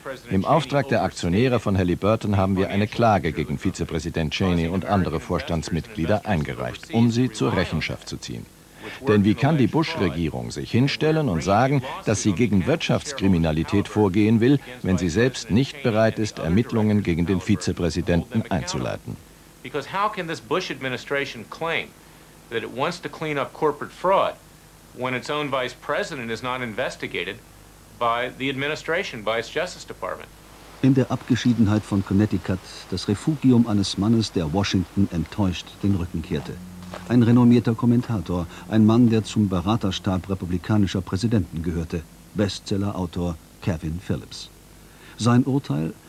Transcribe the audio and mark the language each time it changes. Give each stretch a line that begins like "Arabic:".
German: Im Auftrag der Aktionäre von Halliburton haben wir eine Klage gegen Vizepräsident Cheney und andere Vorstandsmitglieder eingereicht, um sie zur Rechenschaft zu ziehen. Denn wie kann die Bush-Regierung sich hinstellen und sagen, dass sie gegen Wirtschaftskriminalität vorgehen will, wenn sie selbst nicht bereit ist, Ermittlungen gegen den Vizepräsidenten einzuleiten?
English: Because how can this Bush administration claim that it wants to clean up corporate fraud when its own vice president is not investigated by the administration, by its Justice Department?
German: In der Abgeschiedenheit von Connecticut, das Refugium eines Mannes, der Washington enttäuscht den Rücken kehrte. Ein renommierter Kommentator, ein Mann, der zum Beraterstab republikanischer Präsidenten gehörte, Bestsellerautor Kevin Phillips. Sein Urteil?